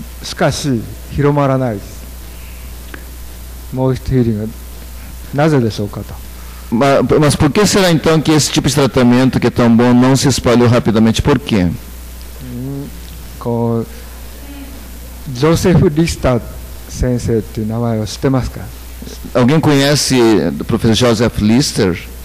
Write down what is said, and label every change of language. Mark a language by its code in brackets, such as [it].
[pt] Mas por que será então que esse tipo de tratamento que é tão bom não se espalhou rapidamente? Por quê? [ja] Joseph Lister 先生という名前を知ってますか? [pt] Alguém conhece o professor Joseph Lister?